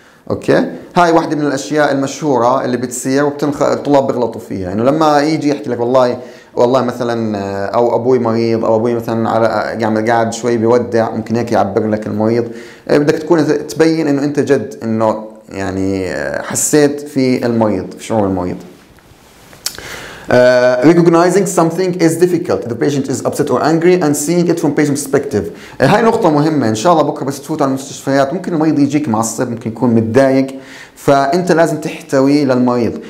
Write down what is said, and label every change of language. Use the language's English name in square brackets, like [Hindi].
[Arabic] أوكي، هاي واحدة من الأشياء المشهورة اللي بتصير الطلاب بغلطوا فيها، إنه لما يجي يحكي لك والله مثلا أو أبوي مريض، أو أبوي مثلا على يعني قاعد شوي بيودع، ممكن هيك يعبر لك المريض. بدك تكون تبين إنه أنت جد إنه يعني حسيت في المريض، في شعور المريض. [English] Recognizing something is difficult. The patient is upset or angry and seeing it from patient's perspective. [Arabic] هاي نقطة مهمة. إن شاء الله بكرة بس تفوت على المستشفيات ممكن المريض يجيك معصب، ممكن يكون متضايق، فأنت لازم تحتوي للمريض.